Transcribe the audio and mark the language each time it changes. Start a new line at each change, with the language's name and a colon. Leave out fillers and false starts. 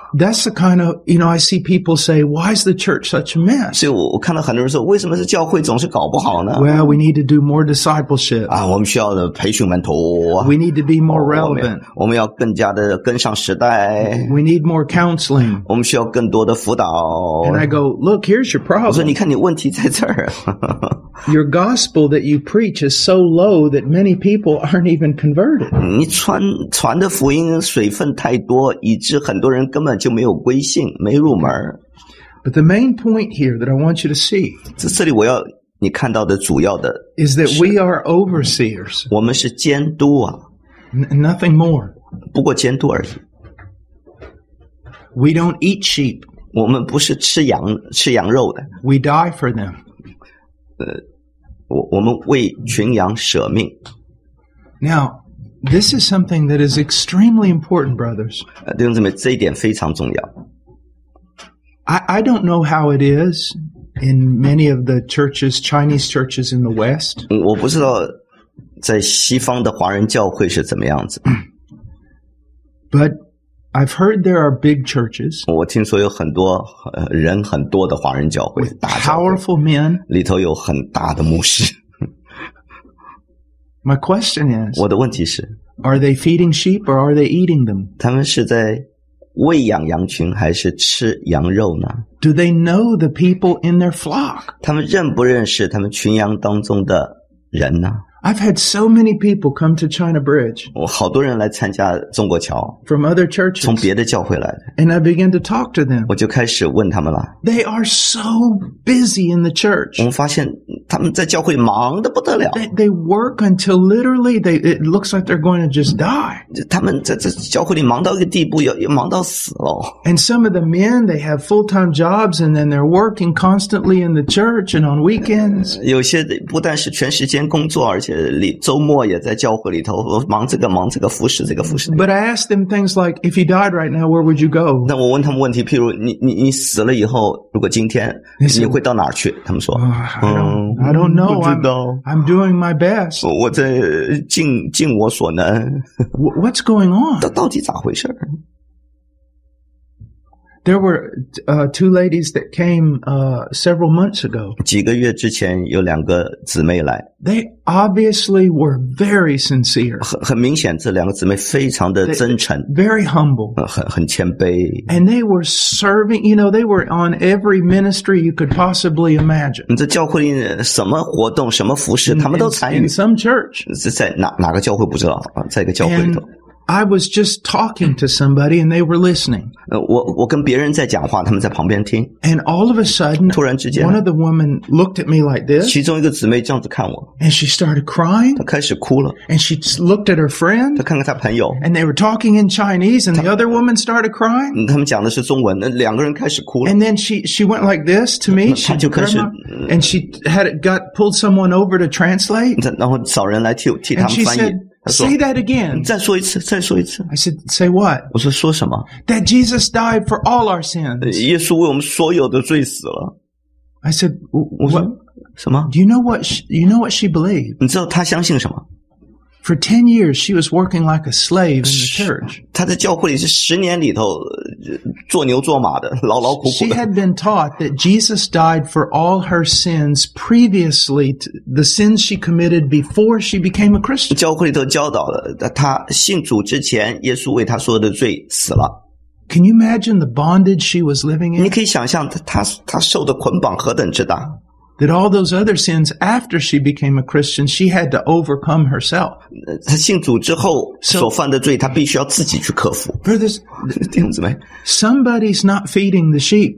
English: That's the kind of, you know, I see people say, why is the church such a mess?
Chinese: 所以我看到很多人说，为什么是教会总是搞不好呢？
English: Well, we need to do more discipleship.
Chinese: 啊，我们需要的培训门徒。
English: We need to be more relevant.
Chinese: 我们要更加的跟上时代。
English: We need more counseling.
Chinese: 我们需要更多的辅导。
English: And I go, look, here's your problem.
Chinese: 我说，你看你问题在这儿。
English: Your gospel that you preach is so low that many people aren't even converted.
Chinese: 你传的福音水分太多，以致很多人根本就没有归信，没入门。
English: But the main point here that I want you to see,
Chinese: 这里我要你看到的主要的
English: 是， is that we are overseers.
Chinese: 我们是监督啊。
English: Nothing more.
Chinese: 不过监督而已。
English: We don't eat sheep.
Chinese: 我们不是吃羊肉的。
English: We die for them.
Chinese: 我们为群羊舍命。
English: Now, this is something that is extremely important, brothers.
Chinese: 弟兄姊妹，这一点非常重要。
English: I don't know how it is in many of the churches, Chinese churches in the West.
Chinese: 我不知道在西方的华人教会是怎么样子。
English: But I've heard there are big churches.
Chinese: 我听说有很多人很多的华人教会，大教会。
English: Powerful men.
Chinese: 里头有很大的牧师。
English: My question is,
Chinese: 我的问题是，
English: are they feeding sheep or are they eating them?
Chinese: 他们是在喂养羊群还是吃羊肉呢？
English: Do they know the people in their flock?
Chinese: 他们认不认识他们群羊当中的人呢？
English: I've had so many people come to China Bridge.
Chinese: 我好多人来参加中国桥。
English: From other churches.
Chinese: 从别的教会来的。
English: And I began to talk to them.
Chinese: 我就开始问他们了。
English: They are so busy in the church.
Chinese: 我们发现他们在教会忙得不得了。
English: They work until literally it looks like they're going to just die.
Chinese: 他们在教会里忙到一个地步，要忙到死了。
English: And some of the men, they have full-time jobs and then they're working constantly in the church and on weekends.
Chinese: 有些不但是全时间工作，而且周末也在教会里头忙这个忙这个服侍这个服侍、那个、
English: But I asked them things like, if he died right now, where would you go?
Chinese: 那我问他们问题，譬如 你死了以后，如果今天
English: said,
Chinese: 你会到哪儿去？他们说、
English: I don't know. I'm doing my best.
Chinese: 我在尽我所能。
English: What's going on?
Chinese: 到底咋回事？
English: There were two ladies that came several months ago.
Chinese: 几个月之前有两个姊妹来。
English: They obviously were very sincere.
Chinese: 很明显，这两个姊妹非常的真诚。
English: Very humble.
Chinese: 很谦卑。
English: And they were serving. You know, they were on every ministry you could possibly imagine.
Chinese: 这教会什么活动、什么服事，他们都参与。
English: In some church.
Chinese: 是在哪个教会不知道？在一个教会里头。
English: I was just talking to somebody and they were listening.
Chinese: 我跟别人在讲话，他们在旁边听。
English: And all of a sudden,
Chinese: 突然之间，
English: one of the women looked at me like this.
Chinese: 其中一个姊妹这样子看我。
English: And she started crying.
Chinese: 她开始哭了。
English: And she looked at her friend.
Chinese: 她看看她朋友。
English: And they were talking in Chinese and the other woman started crying.
Chinese: 他们讲的是中文，两个人开始哭了。
English: And then she went like this to me.
Chinese: 她就开始。
English: And she had pulled someone over to translate.
Chinese: 然后找人来替他们翻译。
English: Say that again.
Chinese: 再说一次，再说一次。
English: I said, say what?
Chinese: 我说说什么？
English: That Jesus died for all our sins.
Chinese: 耶稣为我们所有的罪死了。
English: I said, what?
Chinese: 什么？
English: You know what she believed?
Chinese: 你知道她相信什么？
English: For 10 years, she was working like a slave in the church.
Chinese: 她在教会里是十年里头做牛做马的，劳劳苦苦的。
English: She had been taught that Jesus died for all her sins previously, the sins she committed before she became a Christian.
Chinese: 教会里头教导了，她信主之前，耶稣为她所有的罪死了。
English: Can you imagine the bondage she was living in?
Chinese: 你可以想象她受的捆绑何等之大。
English: That all those other sins after she became a Christian, she had to overcome herself.
Chinese: 她信主之后所犯的罪，她必须要自己去克服。
English: Brothers,
Chinese: 弟兄姊妹
English: somebody's not feeding the sheep.